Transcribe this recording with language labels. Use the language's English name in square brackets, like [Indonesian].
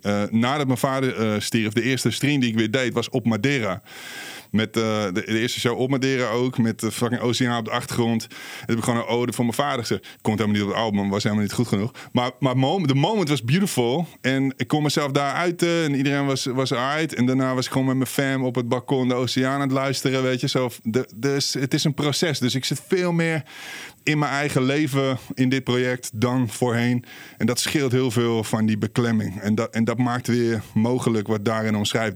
[Dutch] Nadat mijn vader stierf, de eerste stream die ik weer deed, was op Madeira. Met de eerste show op Madeira ook. Met de fucking oceaan op de achtergrond. En heb ik gewoon een ode van mijn vader gezegd. Komt helemaal niet op het album, was helemaal niet goed genoeg. Maar [English] the moment was beautiful. [Dutch] En ik kon mezelf daar uiten. En iedereen was uit. En daarna was ik gewoon met mijn fam op het balkon de oceaan aan het luisteren. Weet je, zo. Dus het is een proces. Dus ik zit veel meer in mijn eigen leven in dit project dan voorheen. En dat scheelt heel veel van die beklemming. En dat maakt weer mogelijk wat Darin omschrijft.